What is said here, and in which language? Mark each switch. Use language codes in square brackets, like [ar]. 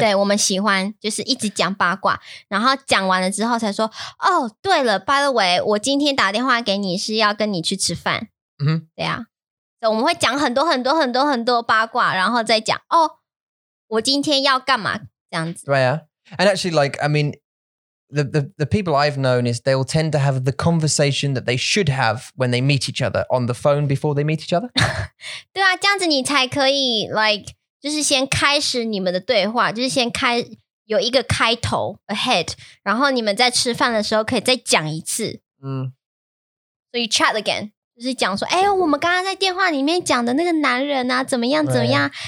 [zh] 对，我们喜欢就是一直讲八卦，然后讲完了之后才说，哦，对了， [en] by the way， [zh] 我今天打电话给你是要跟你去吃饭。 Mm-hmm. 对啊，所以我们会讲很多很多很多很多八卦，然后再讲，哦，我今天要干嘛，这样子。 [en] Right, yeah. And actually, like, I mean, the people I've known is they'll tend to have the conversation that they should have when they meet each other on the phone before they meet each other. [zh] 对啊，这样子你才可以like... 就是先开始你们的对话，就是先开有一个开头 ahead， 然后你们在吃饭的时候可以再讲一次。嗯，所以 [en] chat again， [zh] 就是讲说，哎，我们刚刚在电话里面讲的那个男人啊，怎么样怎么样？